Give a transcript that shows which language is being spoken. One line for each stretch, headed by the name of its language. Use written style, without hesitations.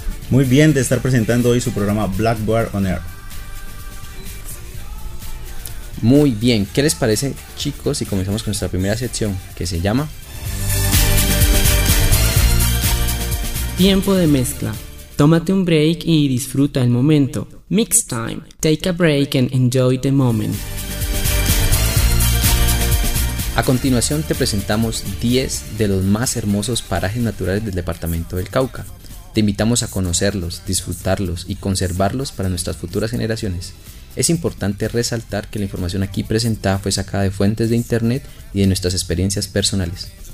Spanish: Muy bien de estar presentando hoy su programa Blackboard On Air. Muy bien, ¿qué les parece, chicos, si comenzamos con nuestra primera sección, que se llama Tiempo de mezcla? Tómate un break y disfruta el momento.
English: Mix time. Take a break and enjoy the moment.
Spanish: A continuación te presentamos 10 de los más hermosos parajes naturales del departamento del Cauca. Te invitamos a conocerlos, disfrutarlos y conservarlos para nuestras futuras generaciones. Es importante resaltar que la información aquí presentada fue sacada de fuentes de internet y de nuestras experiencias personales.